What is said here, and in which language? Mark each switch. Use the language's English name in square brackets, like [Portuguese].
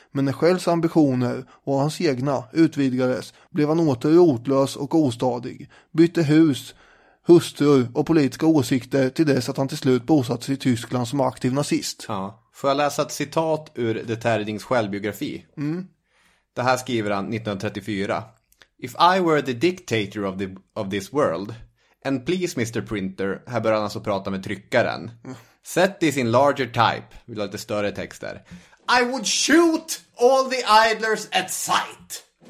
[Swedish] Men när Shells ambitioner och hans egna utvidgades blev han åter rotlös och ostadig. Bytte hus, hustrur och politiska åsikter till dess att han till slut bosatt sig i Tyskland som aktiv nazist. Ja. Får jag läsa ett citat ur de Terdings självbiografi? Mm. Det här skriver han 1934. [English] If I were the dictator of this world, and please Mr. [Swedish] Printer, här börjar han alltså prata med tryckaren. [English] Set this in larger type, [Swedish] vill ha lite större texter. [English] I would shoot all the idlers at sight.